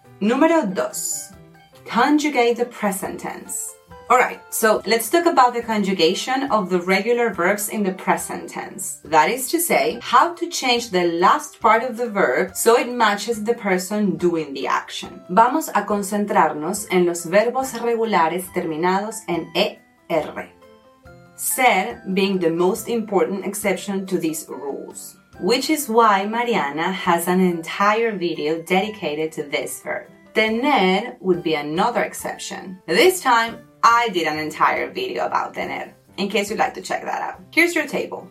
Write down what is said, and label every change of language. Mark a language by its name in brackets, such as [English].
[Spanish] Número dos. [English] Conjugate the present tense. Alright, so let's talk about the conjugation of the regular verbs in the present tense. That is to say, how to change the last part of the verb so it matches the person doing the action. [Spanish] Vamos a concentrarnos en los verbos regulares terminados en ER. [English] Ser being the most important exception to these rules. Which is why Mariana has an entire video dedicated to this verb. Tener would be another exception. This time, I did an entire video about tener, in case you'd like to check that out. Here's your table.